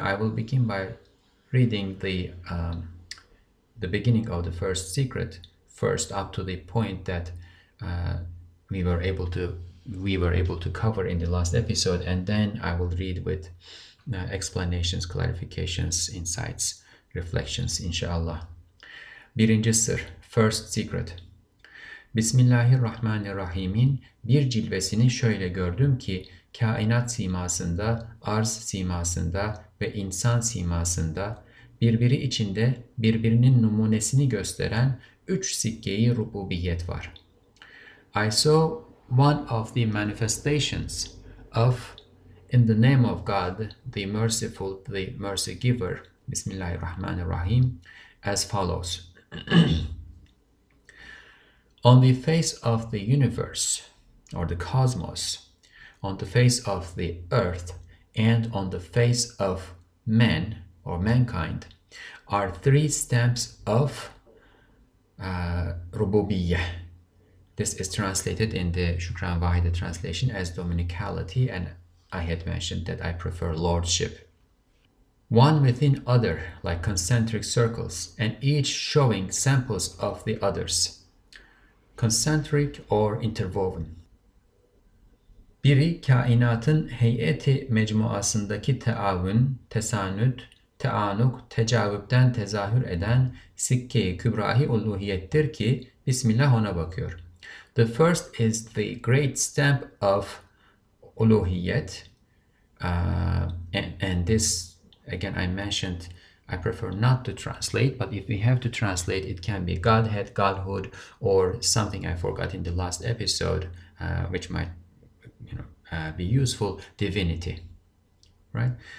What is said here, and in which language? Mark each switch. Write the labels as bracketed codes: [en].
[en] I will begin by reading the beginning of the first secret first, up to the point that we were able to cover in the last episode, and then I will read with explanations, clarifications, insights, reflections, inshallah. [tr] Birinci sır, [en] first secret. [tr] Bismillahirrahmanirrahim'in bir cilvesini şöyle gördüm ki, kainat simasında, arz simasında ve insan simasında, birbiri içinde birbirinin numunesini gösteren üç sikkeyi rububiyet var. [en] I saw one of the manifestations of, in the name of God, the Merciful, the Mercy Giver, Bismillahir Rahmanir Rahim, as follows. On the face of the universe, or the cosmos, on the face of the earth, and on the face of man, or mankind, are three stamps of Rububiyyah. This is translated in the Shukran Wahida translation as Dominicality, and I had mentioned that I prefer Lordship. One within other, like concentric circles, and each showing samples of the others. Concentric or interwoven. [tr] Biri kainatın heyeti mecmuasındaki teavün, tesanüt, teanuk, tecavüpten tezahür eden sikke-i kübrahi uluhiyettir ki Bismillah ona bakıyor. [en] The first is the great stamp of uluhiyet. And this, again, I mentioned, I prefer not to translate, but if we have to translate, it can be Godhead, Godhood, or something I forgot in the last episode, which might, be useful, divinity, right?